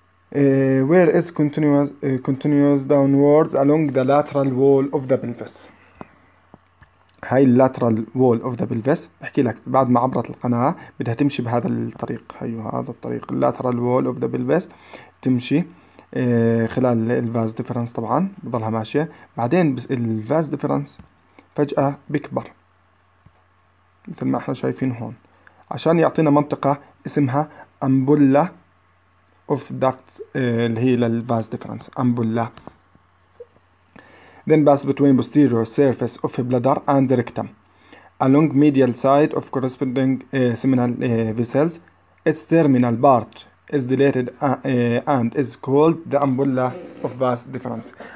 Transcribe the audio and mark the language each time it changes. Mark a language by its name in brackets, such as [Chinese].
[English] Where is continuous downwards along the lateral wall of the pelvis. [Arabic] هاي [English] lateral wall of the pelvis [Arabic] بحكي لك بعد ما عبرت القناة بدها تمشي بهذا الطريق. هيو هذا الطريق [English] lateral wall of the pelvis، [Arabic] تمشي خلال الفاز ديفرنس، طبعا بضلها ماشية. بعدين بس الفاز ديفرنس فجأة بكبر مثل ما احنا شايفين هون عشان يعطينا منطقة اسمها أمبولا of ducts اللي هي للفاز ديفرنس أمبولا. [English] Then pass between posterior surface of bladder and rectum along medial side of corresponding seminal vessels. Its terminal part is dilated and is called the umbrella of vas deferens.